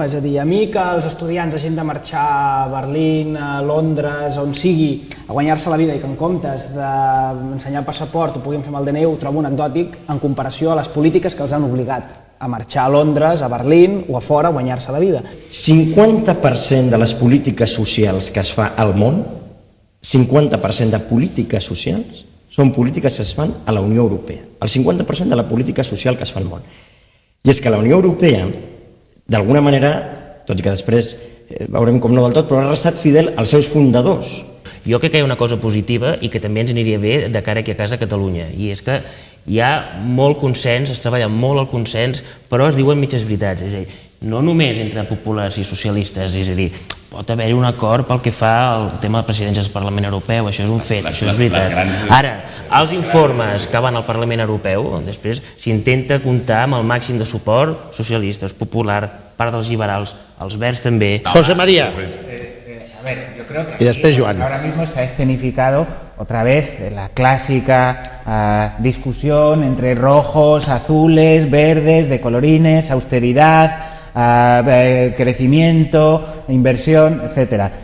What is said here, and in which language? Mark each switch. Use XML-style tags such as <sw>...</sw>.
<ca>És a dir, a mi que els estudiants hagin de marxar a Berlín, a Londres, on sigui, a guanyar-se la vida i que en comptes d'ensenyar el passaport ho puguin fer amb el DNI, ho trobo anecdòtic en comparació a les polítiques que els han obligat a marxar a Londres, a Berlín o a fora a guanyar-se la vida. 50% de les polítiques socials que es fa al món, 50% de polítiques socials, són polítiques que es fan a la Unió Europea. El 50% de la política social que es fa al món. I és que la Unió Europea, d'alguna manera, tot i que després veurem com no del tot, però ha restat fidel als seus fundadors. Jo crec que hi ha una cosa positiva i que també ens aniria bé de cara aquí a casa a Catalunya, i és que hi ha molt consens, es treballa molt el consens, però es diuen mitges veritats, és a dir, no només entre populars i socialistes, és a dir, pot haver-hi un acord pel que fa al tema de presidències del Parlament Europeu, això és un fet, això és veritat. Ara, els informes que van al Parlament Europeu, després s'intenta comptar amb el màxim de suport socialistes, popular, part dels liberals, els verds també. José María.</ca> <es>Y después Joan. Ahora mismo se ha escenificado otra vez la clásica discusión entre rojos, azules, verdes, de colorines, austeridad, crecimiento, inversión, etcétera.</es>